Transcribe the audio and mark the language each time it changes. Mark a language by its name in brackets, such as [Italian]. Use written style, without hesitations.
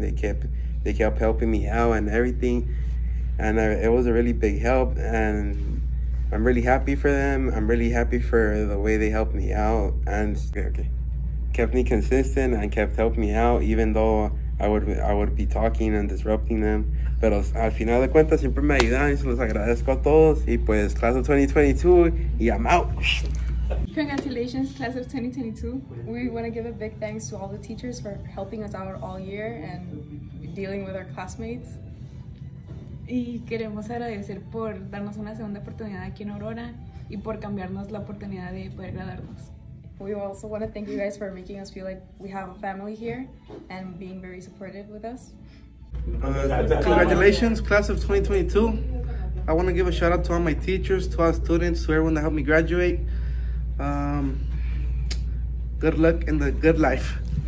[English] They kept helping me out and everything. And it was a really big help. And I'm really happy for them. I'm really happy for the way they helped me out. And okay, kept me consistent and kept helping me out, even though I would be talking and disrupting them. [Spanish] Pero al final de cuentas, siempre me ayudan. Se los agradezco a todos. Y pues, [English] class of 2022, [Spanish] y [English] I'm out. Congratulations, class of 2022. We want to give a big thanks to all the teachers for helping us out all year and dealing with our classmates. [Spanish] Y queremos agradecer por darnos una segunda oportunidad aquí en Aurora y por cambiarnos la oportunidad de poder graduarnos. [English] We also want to thank you guys for making us feel like we have a family here and being very supportive with us. Congratulations, class of 2022. I want to give a shout out to all my teachers, to all students, to everyone that helped me graduate. Good luck in the good life.